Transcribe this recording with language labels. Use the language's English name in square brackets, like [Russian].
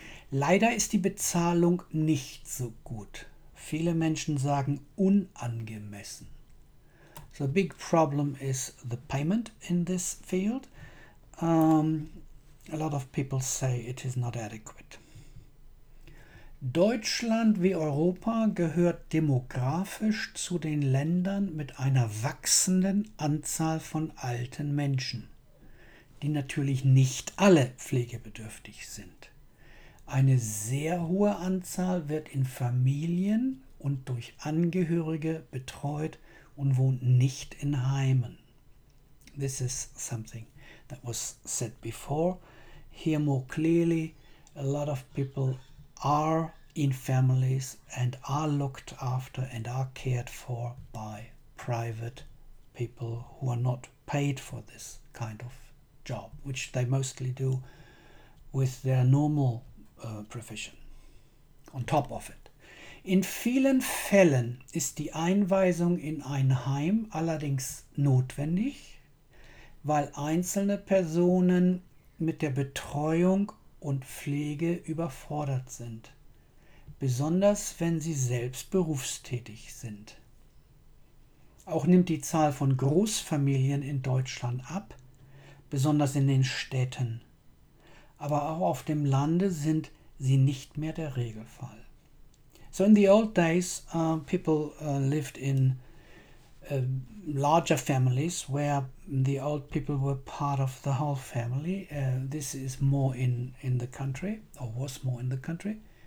[German] Leider ist die Bezahlung nicht so gut. Viele Menschen sagen unangemessen. [English] So, the big problem is the payment in this field. A lot of people say it is not adequate. [German] Deutschland wie Europa gehört demografisch zu den Ländern mit einer wachsenden Anzahl von alten Menschen, die natürlich nicht alle pflegebedürftig sind. Eine sehr hohe Anzahl wird in Familien und durch Angehörige betreut und wohnt nicht in Heimen. [English] This is something that was said before. Here more clearly, a lot of people are in families and are looked after and are cared for by private people who are not paid for this kind of job, which they mostly do with their normal profession on top of it. [German] In vielen Fällen ist die Einweisung in ein Heim allerdings notwendig, weil einzelne Personen mit der Betreuung und Pflege überfordert sind, besonders wenn sie selbst berufstätig sind. Auch nimmt die Zahl von Großfamilien in Deutschland ab, besonders in den Städten. Aber auch auf dem Lande sind sie nicht mehr der Regelfall. [English] So in the old days, people lived in larger families where the old people were part of the whole family. This is more in the country, or was more in the country.